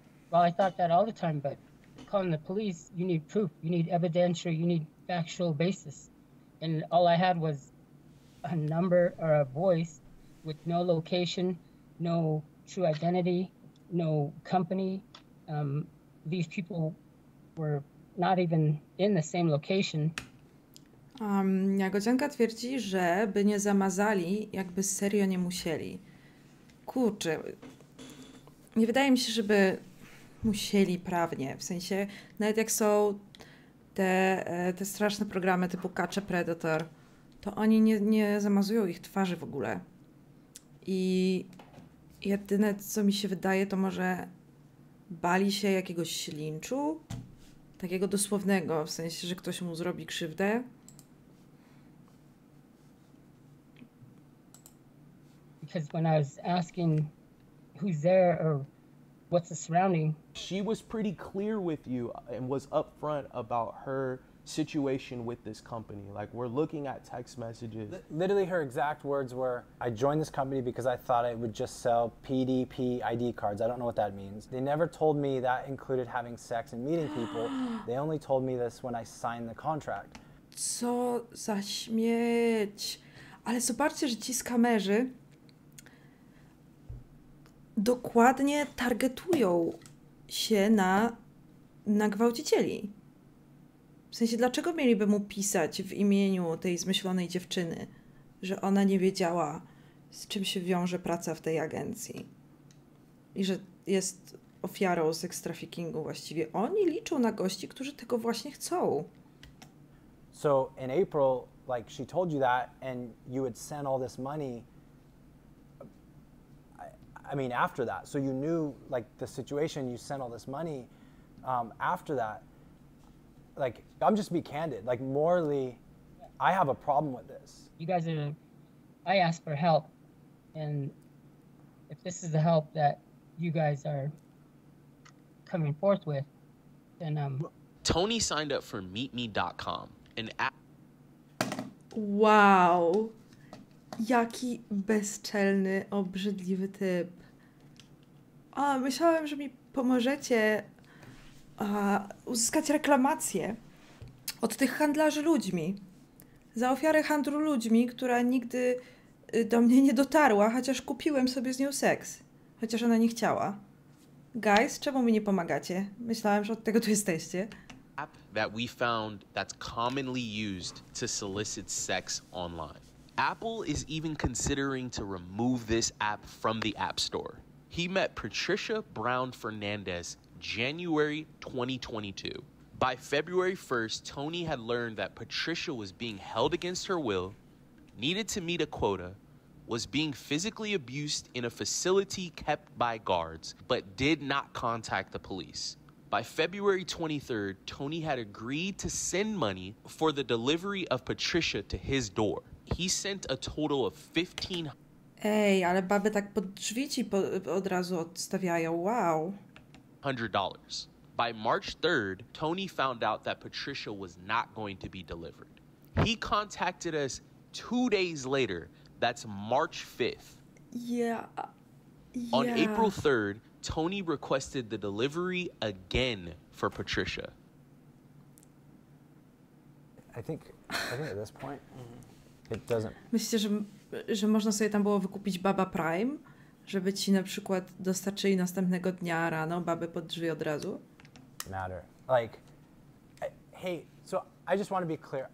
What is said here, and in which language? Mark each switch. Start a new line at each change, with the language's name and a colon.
English: Well, I thought that all the time, but calling the police, you need proof, you need evidence, or you need factual basis. And all I had was a number or a voice with no location, no true identity, no company. These people were not even in the same location.
Polish: Jagodzianka twierdzi, że by nie zamazali, jakby serio nie musieli. Kurczę, nie wydaje mi się, żeby musieli prawnie. W sensie, nawet jak są te straszne programy typu Catch a Predator, to oni nie zamazują ich twarzy w ogóle. I jedyne, co mi się wydaje, to może bali się jakiegoś linczu, takiego dosłownego, w sensie, że ktoś mu zrobi krzywdę.
English: Because when I was asking who's there or what's the surrounding, she was pretty clear with you and was upfront about her situation with this company. Like, we're looking at text messages. Literally her exact words were, I joined this company because I thought it would just sell PDP ID cards. I don't know what that means. They never told me that included having sex and meeting people. They only told me this when I signed the contract.
Polish: Co za śmieć. Ale zobaczcie, że ci z kamerzy dokładnie targetują się na gwałcicieli. W sensie, dlaczego mieliby mu pisać w imieniu tej zmyślonej dziewczyny, że ona nie wiedziała, z czym się wiąże praca w tej agencji? I że jest ofiarą sex traffickingu właściwie. Oni liczą na gości, którzy tego właśnie chcą.
English: So in April, like she told you that, and you had sent all this money. I mean, after that, so you knew like the situation. You sent all this money. After that, like I'm just be candid. Like morally, I have a problem with this. You guys are. I asked for help, and if this is the help that you guys are coming forth with, then Tony signed up for meetme.com. An app. Wow.
Polish: Jaki bezczelny, obrzydliwy typ. A myślałem, że mi pomożecie uzyskać reklamację od tych handlarzy ludźmi. Za ofiarę handlu ludźmi, która nigdy do mnie nie dotarła, chociaż kupiłem sobie z nią seks. Chociaż ona nie chciała. Guys, czemu mi nie pomagacie? Myślałem, że od tego tu jesteście.
English: App that we found that's commonly used to solicit sex online. Apple is even considering to remove this app from the App Store. He met Patricia Brown Fernandez January 2022. By February 1st, Tony had learned that Patricia was being held against her will, needed to meet a quota, was being physically abused in a facility kept by guards, but did not contact the police. By February 23rd, Tony had agreed to send money for the delivery of Patricia to his door. He sent a total of 15...
Polish: Ej, ale baby tak pod drzwi ci od razu odstawiają.
English: Wow. $100. By March 3rd, Tony found out that Patricia was not going to be delivered. He contacted us 2 days later. That's March 5th. Yeah. On April 3rd, Tony requested the delivery again for Patricia. I think at this point, it doesn't.
Polish: Myślę, że można sobie tam było wykupić Baba Prime, żeby ci na przykład dostarczyli następnego dnia rano babę pod drzwi od razu.
English: Matter. Like, so I just want to be clear.